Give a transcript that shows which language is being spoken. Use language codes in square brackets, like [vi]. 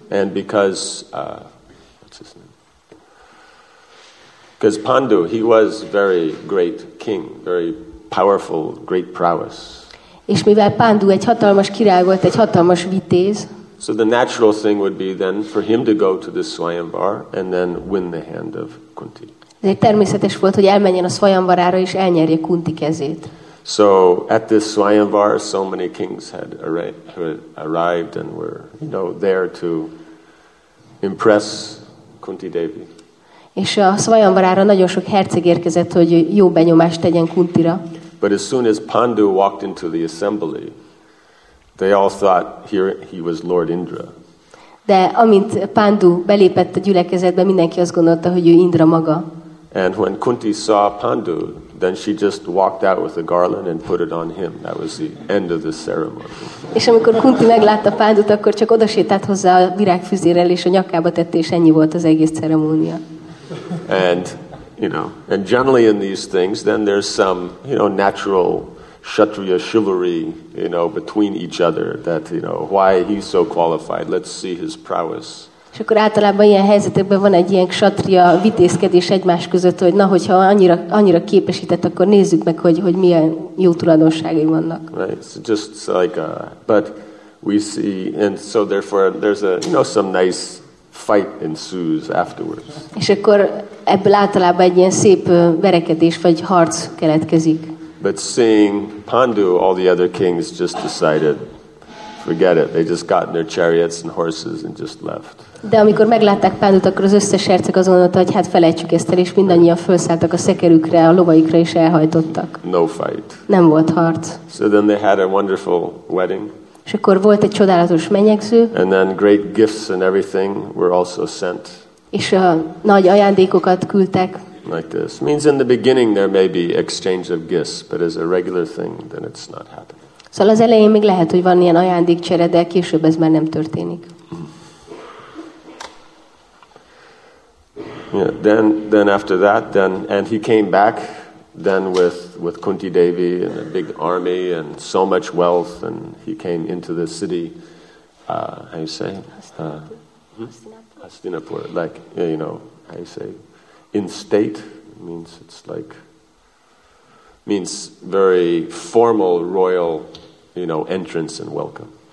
[en] And because what's his name? Because Pandu, he was very great king, very powerful, great prowess. [hu] És mivel Pandu egy hatalmas király volt, egy hatalmas vitéz. [en] So the natural thing would be then for him to go to the svayanvar and then win the hand of Kunti. [hu] De természetes volt, hogy elmenjen a svajanvarára és elnyerje Kunti kezét. [en] So at this Swayamvar, so many kings had arrived and were, you know, there to impress Kunti Devi. [hu] És a Swayamvarára nagyon sok herceg érkezett, hogy jó benyomást tegyen Kuntira. [en] But as soon as Pandu walked into the assembly, they all thought here he was Lord Indra. [hu] De amint Pandu belépett a gyülekezetbe, mindenki azt gondolta, hogy ő Indra maga. [en] And when Kunti saw Pandu, then she just walked out with a garland and put it on him. That was the end of the ceremony. [hu] És amikor Kunti meglátta Pandut, akkor csak odasétált hozzá a virágfüzérrel és a nyakába tette, és ennyi volt az egész ceremónia. [en] And generally in these things, then there's some, you know, natural Kshatriya chivalry, you know, between each other, that, you know, why he's so qualified. Let's see his prowess. [hu] És akkor általában ilyen helyzetekben van egy ilyen ksatria vitézkedés egymás között, hogy na, hogyha annyira képesített, akkor nézzük meg, hogy milyen jó tulajdonságai vannak. [en] Right, so just like, but we see, and so therefore there's a, you know, some nice fight ensues afterwards. [hu] És akkor ebből általában egy ilyen szép verekedés vagy harc keletkezik. [en] But seeing Pandu, all the other kings just decided, forget it. They just got in their chariots and horses and just left. [hu] De amikor meglátták Pándut, akkor az összes herceg azon adta, hogy hát felejtsük ezt el, és mindannyian felszálltak a szekerükre, a lovaikra, és elhajtottak. [en] No fight. [hu] Nem volt harc. [en] So then they had a wonderful wedding. [hu] És akkor volt egy csodálatos menyegző. [en] And then great gifts and everything were also sent. [hu] És a nagy ajándékokat küldtek. [en] Like this. Means in the beginning there may be exchange of gifts, but as a regular thing, then it's not happening. [hu] Szóval az elején még lehet, hogy van ilyen ajándékcsere, de később ez már nem történik. [en] Yeah, then after that, then, and he came back then with Kunti Devi and a big army and so much wealth, and he came into the city, Hastinapur, like, you know, how you say, in state, means it's like, means very formal royal, you know, entrance and welcome.